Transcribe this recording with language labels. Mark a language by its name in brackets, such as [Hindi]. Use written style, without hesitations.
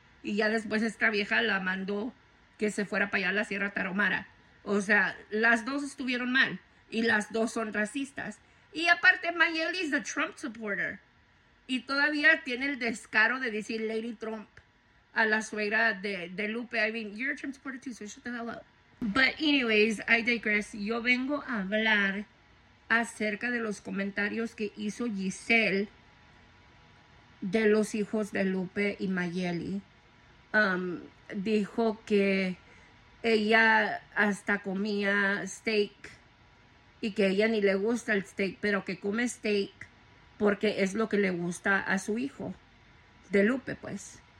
[Spanish] Y ya después esta vieja la mandó que se fuera para allá a la Sierra Tarahumara. O sea, las dos estuvieron mal. Y las dos son racistas. Y aparte, Mayeli es [English] a Trump supporter. [Spanish] Y todavía tiene el descaro de decir Lady Trump a la suegra de Lupe. [English] I mean, you're a Trump supporter too, so shut the hell up. But anyways, I digress. [Spanish] Yo vengo a hablar acerca de los comentarios que hizo Giselle de los hijos de Lupe y Mayeli. Dijo que ella hasta comía steak y que a ella ni le gusta el steak, pero que come steak porque es lo que le gusta a su hijo, de Lupe, pues.